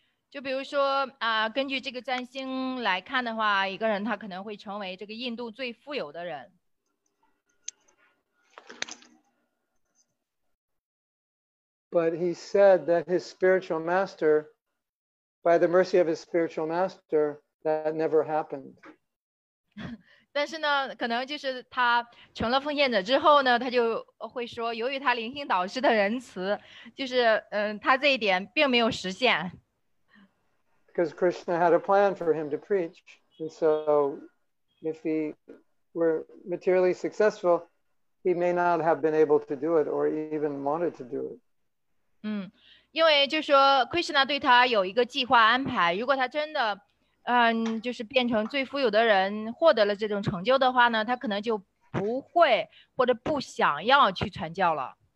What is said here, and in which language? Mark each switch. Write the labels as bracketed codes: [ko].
[zh] 就比如说根据这个占星来看的话，一个人他可能会成为这个印度最富有的人。 [en] But he said that his spiritual master, by the mercy of his spiritual master, that never happened. [zh] 但是呢，可能就是他成了奉献者之后呢，他就会说，由于他灵性导师的仁慈，就是他这一点并没有实现。 [en] Because Krishna had a plan for him to preach. And so if he were materially successful, he may not have been able to do it or even wanted to do it. [zh] 因为就是说 Krishna 对他有一个计划安排，如果他真的就是变成最富有的人，获得了这种成就的话呢，他可能就不会或者不想要去传教了。